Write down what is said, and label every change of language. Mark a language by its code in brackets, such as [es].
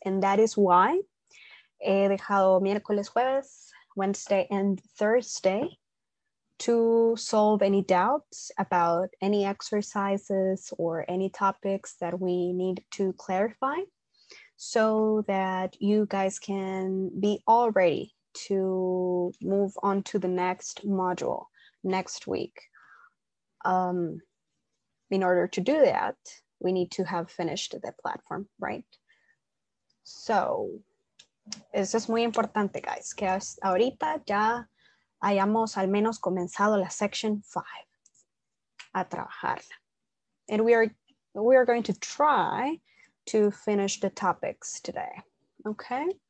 [en] And that is why [es] he dejado miércoles, jueves, [en] Wednesday, and Thursday to solve any doubts about any exercises or any topics that we need to clarify so that you guys can be all ready to move on to the next module next week. In order to do that, we need to have finished the platform, right? [es] So, eso es muy importante, guys, que ahorita ya hayamos al menos comenzado la section 5 a trabajarla. [en] And we are going to try to finish the topics today, okay?